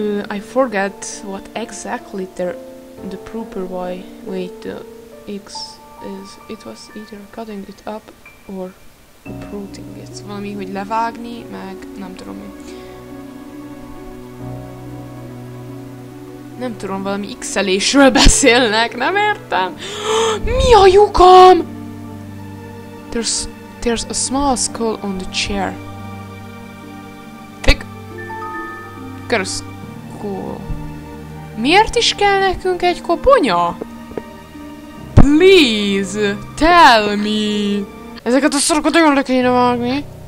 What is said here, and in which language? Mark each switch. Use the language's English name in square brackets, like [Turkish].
[English] I forget what exactly the proper way to X. Is it was either cutting it up or uprooting it. [Hungarian] Valami, hogy levágni, meg nem tudom mi. Nem tudom, valami x-elésről beszélnek, nem értem. Mi a lyukam? [English] There's a small skull on the chair. Pick. Girl's skull. [Hungarian] Miért is kell nekünk egy koponya? Puh. [English] Please, tell me. [Hungarian] Ezeket a szarokat nagyon le kéne vágni.